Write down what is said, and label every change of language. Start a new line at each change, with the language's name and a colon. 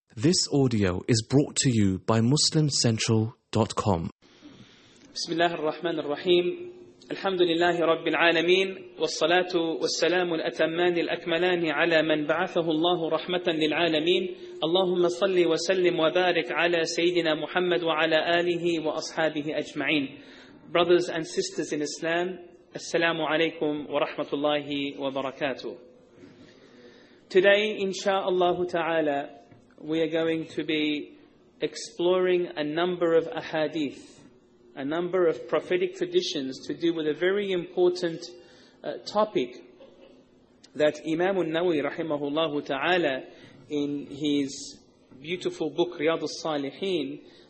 English: This audio is brought to you by MuslimCentral.com.
Arabic: بسم الله الرحمن الرحيم الحمد لله رب العالمين والصلاة والسلام الأتمان الأكملان على من بعثه الله رحمة للعالمين اللهم صل وسلم وبارك على سيدنا محمد وعلى آله وأصحابه أجمعين.
English: Brothers and sisters in Islam,
Arabic: السلام عليكم ورحمة الله وبركاته.
English: Today, insha'Allah ta'ala, we are going to be exploring a number of ahadith, a number of prophetic traditions to do with a very important topic that Imam al-Nawawi rahimahullah ta'ala in his beautiful book Riyad al-Salihin